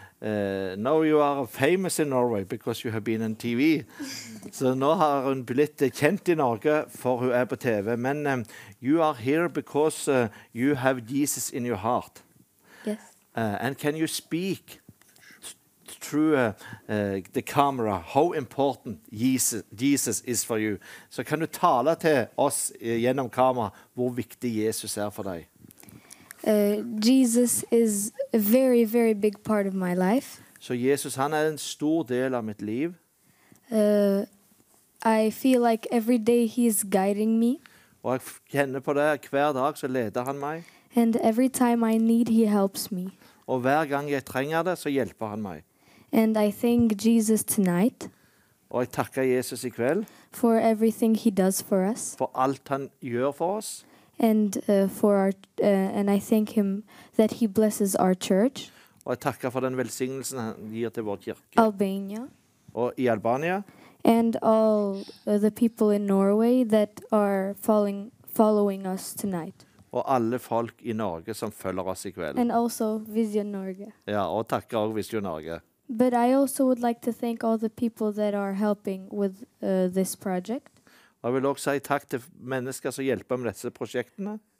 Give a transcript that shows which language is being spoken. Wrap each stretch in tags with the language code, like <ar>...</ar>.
<en>Now you are famous in Norway because you have been on TV.</en> <no>So nå har hun blitt kjent i Norge for hun på TV.</no> <en>Men you are here because you have Jesus in your heart. Yes. And can you speak through the camera how important Jesus is for you?</en> <no>So kan du tale til oss gjennom kamera hvor viktig Jesus for deg?</no> <en>Jesus is a very, very big part of my life.</en> <no>So Jesus, han en stor del av mitt liv.</no> <en>I feel like every day he is guiding me.</en> <no>Og jeg kjenner på det, hver dag så leder han meg.</no> <en>And every time I need, he helps me.</en> <no>Og hver gang jeg trenger det, så hjelper han meg.</no> <en>And I thank Jesus tonight.</en> <no>Og jeg takker Jesus i kveld.</no> <en>For everything he does for us.</en> <no>For alt han gjør for oss.</no> <en>And for our and I thank him that he blesses our church.</en> <no>Og jeg takker for den velsignelsen han gir til vår kirke.</no> <en>Albania.</en> <no>Og i Albania.</no> <en>And all the people in Norway that are following us tonight.</en> <no>Og alle folk i Norge som følger oss i kveld.</no> <en>And also Vision Norge.</en> <no>Ja, og takker også Vision Norge.</no> <en>But I also would like to thank all the people that are helping with this project.</en> <no>Og jeg vil også si takk til mennesker som hjelper med disse prosjektene.</no>